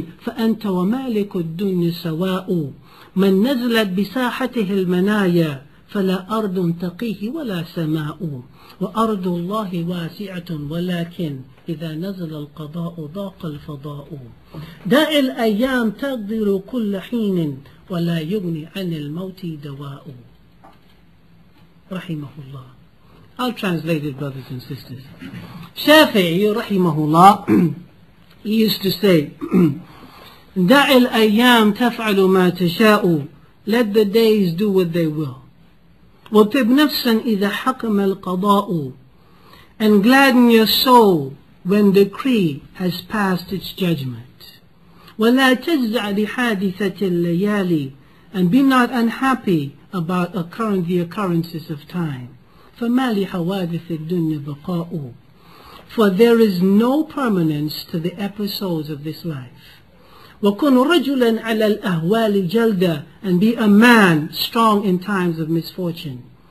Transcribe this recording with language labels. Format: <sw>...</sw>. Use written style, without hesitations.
<ar>فأنت ومالك الدنيا سواء من نزلت بساحته المنايا فلا أرض تقيه ولا سماء وأرض الله واسعة ولكن إذا نزل القضاء ضاق الفضاء داء الأيام تقدر كل حين ولا يغني عن الموت دواء رحمه الله.</ar> <en>I'll translate it, brothers and sisters.</en> <ar>Shafi'i رحمه الله,</ar> <en>he used to say,</en> <ar>دع الأيام تفعل ما تشاء.</ar> <en>Let the days do what they will.</en> <ar>وطب نفسا إذا حكم القضاء.</ar> <en>And gladden your soul when the decree has passed its judgment.</en> <ar>ولا تجزع لحادثة الليالي.</ar> <en>And be not unhappy about the occurrences of time.</en> <ar>فما لحوادث الدنيا بقاء.</ar> <en>For there is no permanence to the episodes of this life.</en> <ar>وَكُنْ رَجُلًا عَلَى الْأَهْوَالِ جَلْدًا</ar> <en>and be a man strong in times of misfortune.</en>